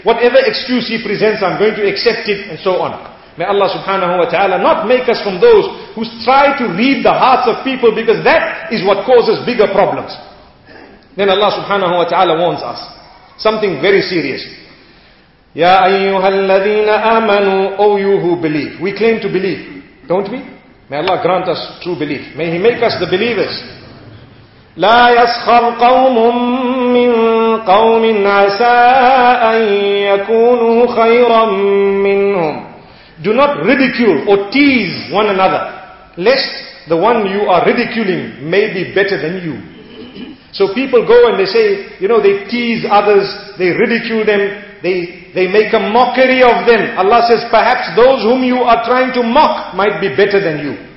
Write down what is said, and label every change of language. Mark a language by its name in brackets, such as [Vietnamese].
[English] Whatever excuse he presents, I'm going to accept it, and so on. May Allah subhanahu wa ta'ala not make us from those who try to read the hearts of people, because that is what causes bigger problems. Then Allah subhanahu wa ta'ala warns us something very serious. [Arabic] Ya ayyuha alladhina amanu, [English] O you who believe. We claim to believe, don't we? May Allah grant us true belief. May He make us the believers. [Arabic] لا يسخر قوم من قوم عسى أن يكونوا خيرا منهم. [English] Do not ridicule or tease one another, lest the one you are ridiculing may be better than you. So people go and they say, you know, they tease others, they ridicule them, they make a mockery of them. Allah says, perhaps those whom you are trying to mock might be better than you.